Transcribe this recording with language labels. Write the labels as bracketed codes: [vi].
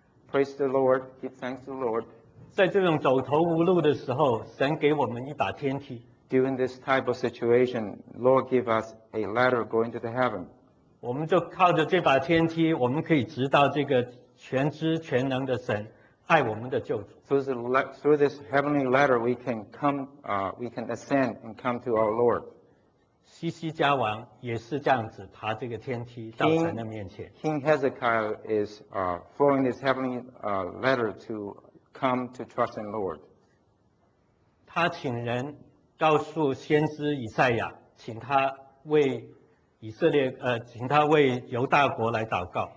[en] Praise the Lord. Give thanks to the Lord. [zh] 在这种走投无路的时候，神给我们一把天梯。 [en] During this type of situation, Lord give us a ladder going to the heaven. [zh] 我们就靠着这把天梯，我们可以直到这个全知全能的神爱我们的救主。 [en] Through this heavenly ladder, we can come, we can ascend and come to our Lord. [zh] 西西家王也是这样子爬这个天梯到神的面前。 [en] King Hezekiah is following this heavenly ladder to come to trust in Lord. [zh] 他请人告诉先知以赛亚，请他为以色列请他为犹大国来祷告。